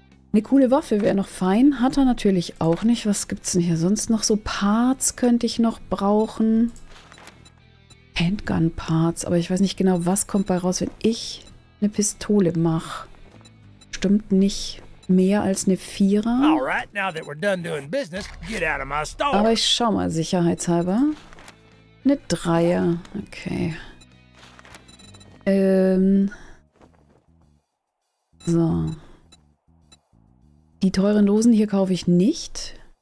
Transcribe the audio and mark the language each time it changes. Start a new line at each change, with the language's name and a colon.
German: Eine coole Waffe wäre noch fein. Hat er natürlich auch nicht. Was gibt es denn hier sonst noch? So Parts könnte ich noch brauchen. Handgun-Parts, aber ich weiß nicht genau, was kommt bei raus, wenn ich eine Pistole mache. Stimmt nicht mehr als eine Vierer.
English: Alright, now that we're done doing business, get out of my
German: Aber
English: store.
German: ich schau mal, sicherheitshalber. Eine Dreier. Okay. So. Die teuren Dosen hier kaufe ich nicht.